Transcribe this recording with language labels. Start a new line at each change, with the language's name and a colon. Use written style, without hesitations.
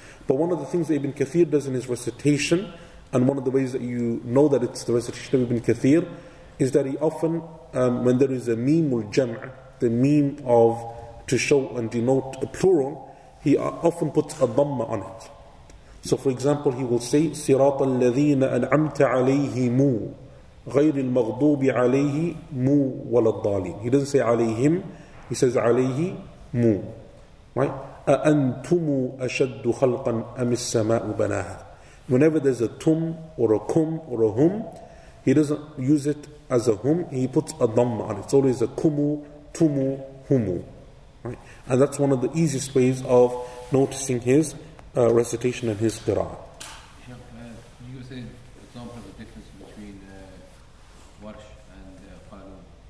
English: But one of the things that Ibn Kathir does in his recitation, and one of the ways that you know that it's the recitation of Ibn Kathir, is that he often, when there is a mimul jam', the mim of to show and denote a plural, he often puts a dhamma on it. So for example, he will say,
Arabic: صِرَاطَ الَّذِينَ أَنْعَمْتَ عَلَيْهِمُ غَيْرِ الْمَغْضُوبِ عَلَيْهِمُ وَلَا الضَّالِينَ.
English: He doesn't say عَلَيْهِمْ, he says عَلَيْهِمُ. Right?
Arabic: أَأَنْتُمُ أَشَدُّ خَلْقًا أَمِ السَّمَاءُ بَنَاهَا.
English: Whenever there's a tum or a kum or a hum, he doesn't use it as a hum, he puts a dhamma on it. It's always a kumu, tumu, humu. Right? And that's one of the easiest ways of noticing his recitation and his qira'ah. Can you say an example of the difference between Warsh and Qalun?